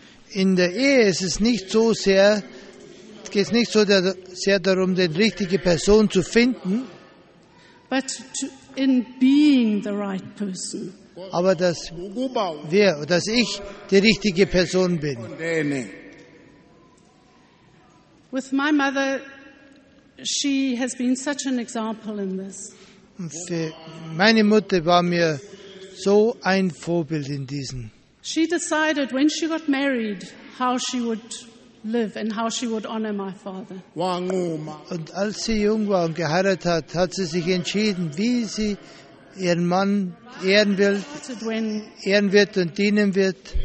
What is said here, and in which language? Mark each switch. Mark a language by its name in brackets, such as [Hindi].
[German] In der Ehe ist es nicht so sehr, geht es nicht so sehr darum, die richtige Person zu finden, [English] but to, in being the right person. [German] Aber dass wir, dass ich die richtige Person bin. [English] With my mother, she has been such an example in this. [German] Meine Mutter war mir so ein Vorbild in diesem. [English] She decided when she got married how she would live and how she would honor my father. [German] Und als sie jung war und geheiratet hat, hat sie sich entschieden, wie sie ihren Mann ehren wird und dienen wird.